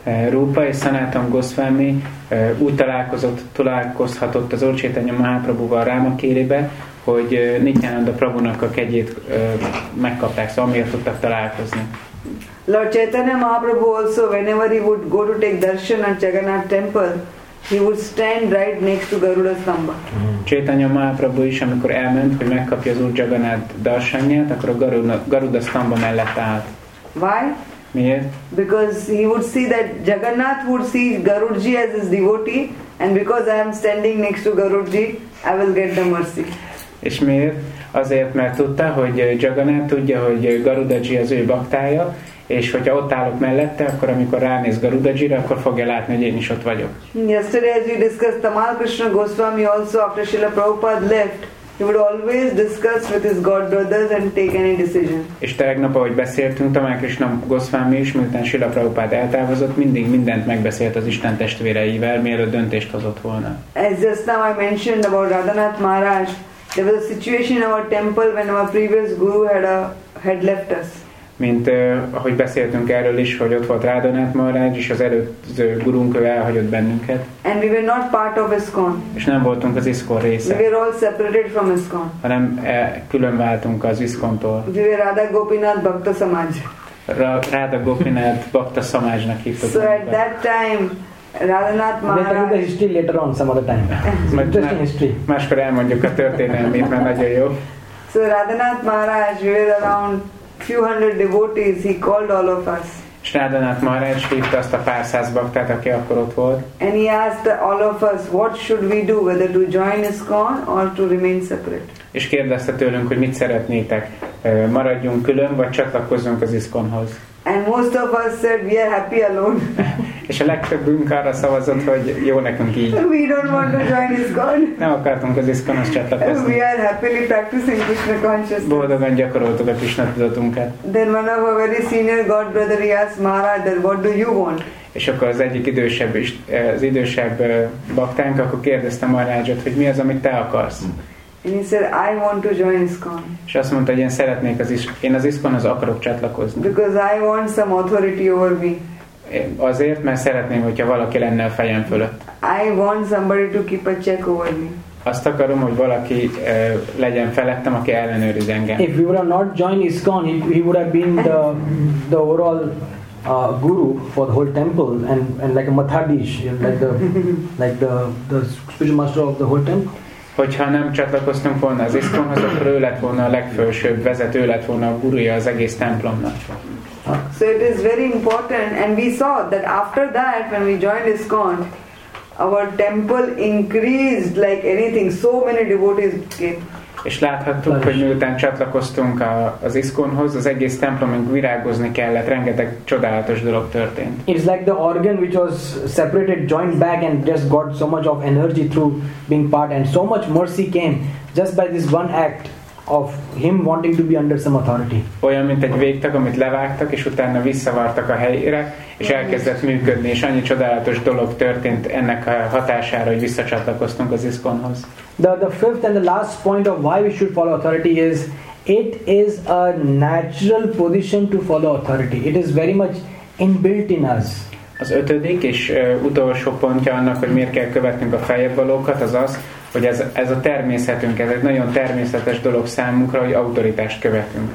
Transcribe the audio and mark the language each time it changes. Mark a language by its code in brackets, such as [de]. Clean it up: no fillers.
[hu] Rupa és Sanatan Goswami úgy találkozhatott az Úr Chaitanya Mahaprabhuval Ramakelibe, hogy Nityananda Prabhunak a kegyét megkapták, szóval miért tudtak találkozni. [en] Lord Chaitanya Mahaprabhu also, whenever he would go to take darshan at Jagannath temple, he would stand right next to Garuda Stambha. [hu] Chaitanya Mahaprabhu is, amikor elment, hogy megkapja az Úr Jagannath darshanját, akkor a Garuda Stambha mellett állt. [en] Why? [hu] Miért? [en] Because he would see that Jagannath would see Garudji as his devotee, and because I am standing next to Garudji, I will get the mercy. [hu] És miért? Azért, mert tudta, hogy Jagannath tudja, hogy Garudaji az ő baktája, és hogyha ott állok mellette, akkor amikor ránéz Garudajira, akkor fogja látni, hogy én is ott vagyok. [en] Yesterday as we discussed, Tamal Krishna Goswami also after Srila Prabhupada left, he would always discuss with his god brothers and take any decision. [hu] És tegnap, ahogy beszéltünk, Tamal Krishna Goswami is, miután Srila Prabhupada eltávozott, mindig mindent megbeszélt az Isten testvéreivel, mielőtt döntést hozott volna. [en] As just now I mentioned about Radhanath Maharaj, there was a situation in our temple when our previous guru had left us. [hu] Mint ahogy beszéltünk erről is, hogy ott volt Radhanath Maharaj, és az előző gurunk elhagyott bennünket. [en] And we were not part of ISKCON. [hu] És nem voltunk az ISKCON része. [en] We were all separated from ISKCON. [hu] Hanem külön váltunk az ISKCON-tól. [en] We were Radha Gopinath Bhakta Samaj. [hu] Radha Gopinath Bhakta Samajnak hívtuk. [en] So at that time, Radhanath Maharaj. We'll tell you the history later on, some other time. Interesting history. [hu] Máskor elmondjuk a történelmét, mert nagyon jó. [en] So Radhanath Maharaj, we were around few hundred devotees, he called all of us. [hu] Sradhanath Maharaj hívta azt a pár száz baktát, aki akkor ott volt. [en] And he asked all of us, what should we do, whether to join ISKCON or to remain separate. [hu] És kérdezte tőlünk, hogy mit szeretnétek, maradjunk külön, vagy csatlakozzunk az ISKCON-hoz. [en] And most of us said we are happy alone. [hu] És a legtöbbünk arra szavazott, hogy jó nekünk így. [en] We don't want to join ISKCON. [hu] Nem akartunk az ISKCON-hoz csatlakozni. [en] We are happily practicing Krishna consciousness. [hu] Boldogan gyakoroltuk a Krishna tudatunkat. [en] Then one of our very senior god brother, he asked Maharaj, then what do you want? [hu] És akkor az egyik idősebb is, az idősebb baktánk, akkor kérdezte Maharajot, hogy mi az, amit te akarsz. [en] And he said, I want to join ISKCON. [hu] És azt mondta, hogy én szeretnék az ISKCON, én az ISKCON-hoz akarok csatlakozni. [en] Because I want some authority over me. [hu] Azért, mert szeretném, hogyha valaki lenne a fejem fölött. [en] I want somebody to keep a check over me. [hu] Azt akarom, hogy valaki legyen felettem, aki ellenőriz engem. [en] If we would have not joined ISKCON, he would have been the overall guru for the whole temple and like a mathadish, like the spiritual master of the whole temple. [hu] Hogyha nem csatlakoztunk volna az ISKCON-hoz, akkor ő lett volna a legfősebb vezető, lett volna a gurúja az egész templomnak. [en] So it is very important, and we saw that after that, when we joined ISKCON, our temple increased like anything. So many devotees came. [hu] És láthattuk, hogy miután csatlakoztunk az ISKCON-hoz, az egész templomunk virágozni kellett, rengeteg csodálatos dolog történt. [en] It's like the organ which was separated, joined back, and just got so much of energy through being part, and so much mercy came just by this one act of him wanting to be under some authority. [hu] Olyan, mint egy végtag, amit levágtak, és utána visszavártak a helyére, és elkezdett működni, és annyi csodálatos dolog történt ennek a hatására, hogy visszacsatlakoztunk az ISKCON-hoz. [en] The fifth and the last point of why we should follow authority is, it is a natural position to follow authority. It is very much inbuilt in us. [hu] Az ötödik és utolsó pontja annak, hogy miért kell követnünk a feljebb valókat, az az, hogy ez a természetünk, ez egy nagyon természetes dolog számunkra, hogy autoritást követünk.